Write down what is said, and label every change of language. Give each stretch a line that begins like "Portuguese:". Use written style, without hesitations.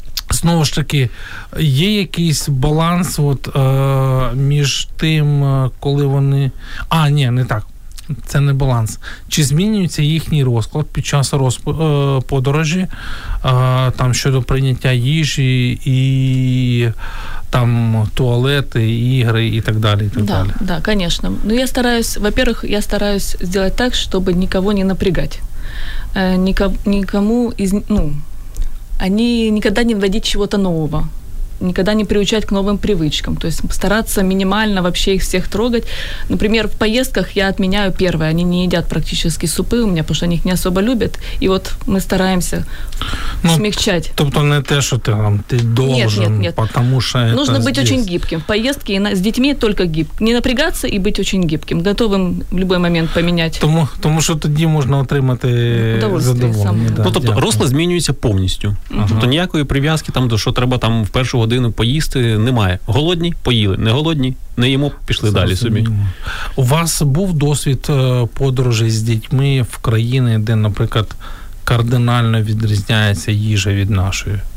Ukrainian: Знову ж таки, є якийсь баланс от, між тим, коли вони... А, ні, не так. Це не баланс. Чи змінюється їхній розклад під час подорожі, там щодо прийняття їжі і там туалети, ігри і так далі, і так да, далі.
Russian: Да, конечно. Ну я стараюсь, во-первых, я стараюсь сделать так, чтобы никого не напрягать. Никому из, ну, они никогда не вводить чего-то нового. Никогда не приучать к новым привычкам. То есть стараться минимально вообще их всех трогать. Например, в поездках я отменяю первое. Они не едят практически супы у меня, потому что они их не особо любят. И вот мы стараемся ну, смягчать. Тобто не те, что ты там, ты должен, нет. Потому что это нужно быть здесь. Очень гибким. В поездке с детьми только гибким. Не напрягаться и быть очень гибким. Готовым в любой момент поменять. Потому что тогда можно отримати задоволение.
Ukrainian: Да, ну, тобто росло змінюється повністю. Ага. Тобто ніякої прив'язки, там, до що треба там в першу годину поїсти немає. Голодні – поїли. Не голодні – не їмо, пішли це далі собі. У вас був досвід подорожі з дітьми в країни, де, наприклад, кардинально відрізняється їжа від нашої?